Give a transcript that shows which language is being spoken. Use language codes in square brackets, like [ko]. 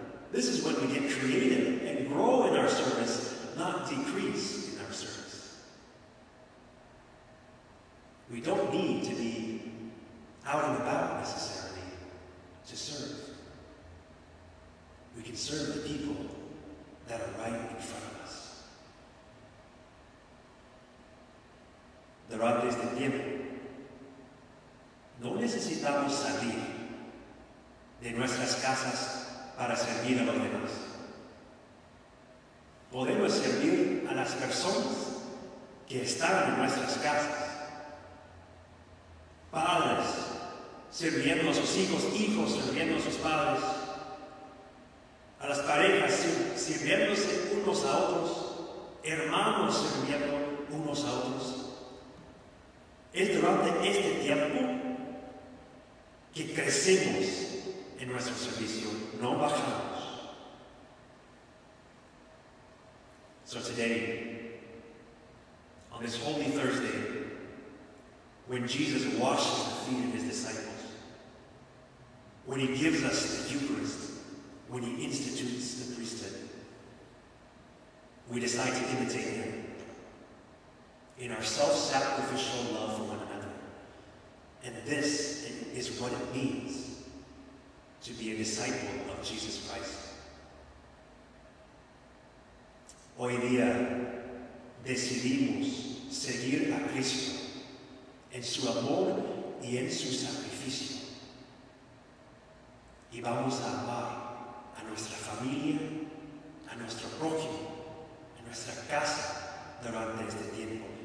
[en] This is when we get creative and grow in our service, not decrease in our service. We don't need to be out and about necessarily to serve. We can serve the people that are right in front of us. [es] Durante este tiempo, no necesitamos salir de nuestras casas para servir a los demás. Podemos servir a las personas que están en nuestras casas. Padres sirviendo a sus hijos, hijos sirviendo a sus padres. A las parejas sirviéndose unos a otros, hermanos sirviendo unos a otros. Es durante este tiempo que crecemos en nuestro servicio, no bajamos. [en] So today, on this Holy Thursday, when Jesus washes the feet of his disciples, when he gives us the Eucharist, when he institutes the priesthood, we decide to imitate him in our self-sacrificial love for one another. And this is what it means to be a disciple of Jesus Christ. [es] Hoy día decidimos seguir a Cristo en su amor y en su sacrificio. Y vamos a amar a nuestra familia, a nuestro prójimo, a nuestra casa durante este tiempo.